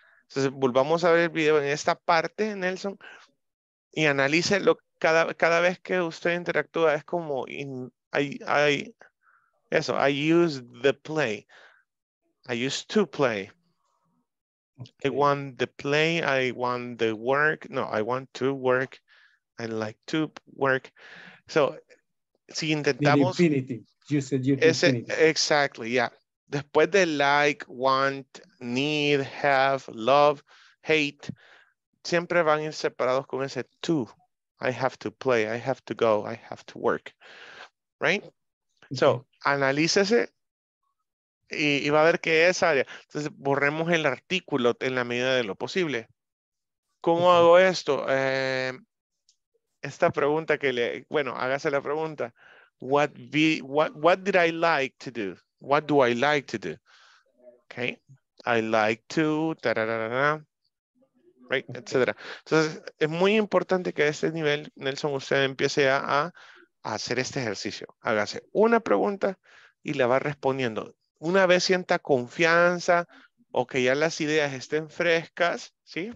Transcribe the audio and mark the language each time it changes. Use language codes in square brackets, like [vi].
[es] Entonces, volvamos a ver el video en esta parte, Nelson, y analice lo cada vez que usted interactúa, es como, [en] I used to play. Okay. I want the play, I want the work, no, I want to work, I like to work. [es] So, si intentamos... [en] The infinity, you said you're the infinity. Exactly, yeah. [es] Después de like, want, need, have, love, hate, siempre van a ir separados con ese to. [en] I have to play, I have to go, I have to work. Right? [es] So, analícese y va a ver qué es área. Entonces, borremos el artículo en la medida de lo posible. ¿Cómo hago esto? Esta pregunta que le... Bueno, hágase la pregunta. [en] What did I like to do? What do I like to do? Okay. I like to, right, etc. [es] Entonces, es muy importante que a este nivel, Nelson, usted empiece a hacer este ejercicio. Hágase una pregunta y la va respondiendo. Una vez sienta confianza o que ya las ideas estén frescas, ¿sí?